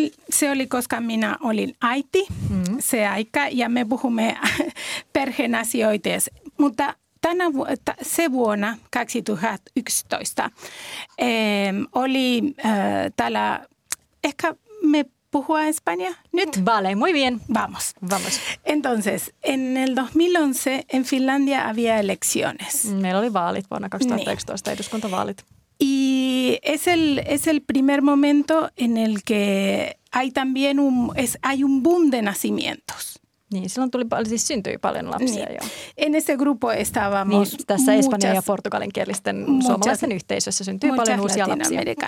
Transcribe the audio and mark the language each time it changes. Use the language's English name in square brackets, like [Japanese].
[Finnish] Se oli, koska minä olin äiti se aika, ja me puhumme perheen asioita. Mutta se vuonna 2011 oli täällä, ehkä me puhua España nyt. [Spanish] Vale, muy bien. Vamos. Vamos. Entonces, en el 2011 en Finlandia había elecciones. [Finnish] Meillä oli vaalit vuonna 2011, niin. Eduskuntavaalit. [Spanish] Y es el primer momento en el que hay también hay un boom de nacimientos. [Finnish] Niin, silloin syntyi paljon lapsia niin. Jo. [Spanish] En ese grupo estábamos. [Finnish] Niin, tässä Espanjan ja portugalin kielisten suomalaisen yhteisössä syntyi paljon uusia lapsia.